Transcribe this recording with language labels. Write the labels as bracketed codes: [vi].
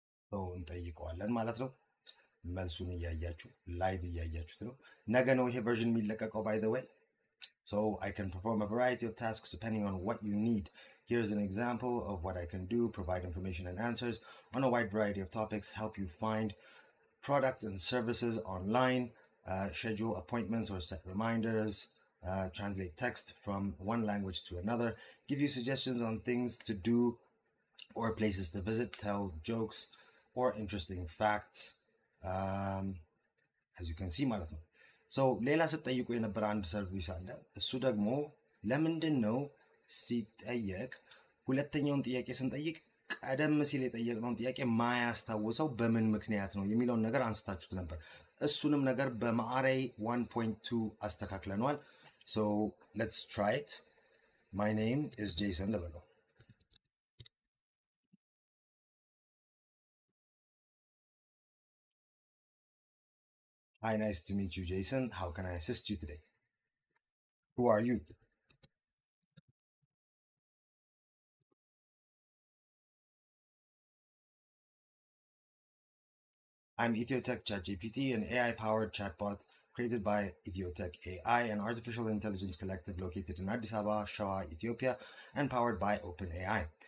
[am] ሰው እንጠይቀዋለን ማለት ነው። መልሱን እያያችሁ ላይቭ እያያችሁት ነው። ነገ ነው ይሄ ቨርዥን የሚለቀቀው ባይ ዘ ወይ። [en] So I can perform a variety of tasks depending on what you need. Here's an example of what I can do. Provide information and answers on a wide variety of topics. Help you find products and services online. Schedule appointments or set reminders. Translate text from one language to another. Give you suggestions on things to do or places to visit. Tell jokes or interesting facts. As you can see, marathon. [am] ሶ ሌላ ስትጠይቁ የነበረ አንድ ሰርቪስ አለ። እሱ ደግሞ ለምንድን ነው ሲጠየቅ ሁለተኛውን ጥያቄ ስንጠይቅ ቀደም ሲል የጠየቅነውን ጥያቄ ማያስታውሰው በምን ምክንያት ነው የሚለውን ነገር አንስታችሁት ነበር። እሱንም ነገር በመዓረይ 1.2 አስተካክለነዋል። ሶ [en] ሌትስ ትራይ ኢት። ማይ ኔም ኢዝ ጄይሰን ልበለው። Hi, nice to meet you, Jason. How can I assist you today? Who are you? I'm ETHIO Tech ChatGPT, an AI-powered chatbot created by ETHIO Tech AI, an artificial intelligence collective located in Addis Ababa, Shawa, Ethiopia, and powered by OpenAI.